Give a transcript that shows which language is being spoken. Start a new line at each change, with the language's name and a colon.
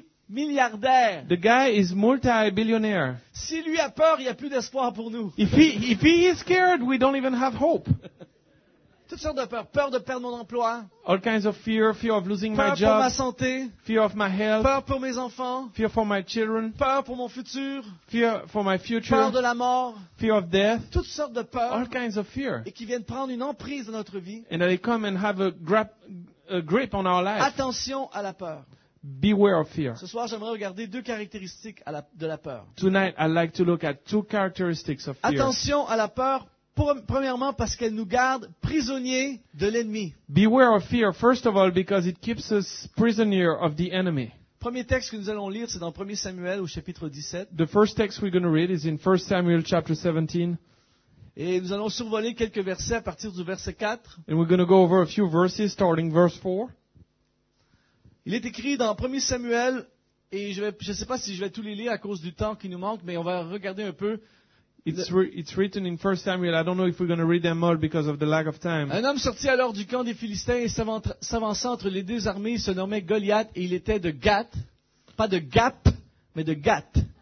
French: Milliardaire.
English: The guy is multi-billionaire.
French: Si lui a peur, il n'y a plus d'espoir pour nous.
English: If he is scared, we don't even have hope.
French: Toutes sortes de peurs. Peur de perdre mon emploi.
English: All kinds of fear of losing
French: peur
English: my job.
French: Peur pour ma santé.
English: Fear of my health.
French: Peur pour mes enfants.
English: Fear for my children.
French: Peur pour mon futur.
English: Fear for my future.
French: Peur de la mort.
English: Fear of death.
French: Toutes sortes de peurs.
English: All kinds of fear.
French: Et qui viennent prendre une emprise dans notre vie.
English: And they come and have a grip on our life.
French: Attention à la peur.
English: Beware of fear.
French: Ce soir, j'aimerais regarder deux caractéristiques de la peur.
English: Tonight, I'd like to look at two characteristics of fear.
French: Attention à la peur. Premièrement, parce qu'elle nous garde prisonniers de l'ennemi.
English: Beware of fear, first of all, because it keeps us prisoner of the enemy.
French: Premier texte que nous allons lire, c'est dans 1 Samuel au chapitre 17.
English: The first text we're going to read is in 1 Samuel chapter 17.
French: Et nous allons survoler quelques versets à partir du verset 4.
English: And we're going to go over a few verses starting verse 4.
French: Il est écrit dans 1 Samuel, et je ne sais pas si je vais tous les lire à cause du temps qui nous manque, mais on va regarder un peu.
English: It's written in 1 Samuel. I don't know if we're going to read them all because of the lack of time.
French: Un homme sortit alors du camp des Philistins et s'avança entre les deux armées. Il se nommait Goliath et il était de Gath. Pas de Gap, mais de Gath.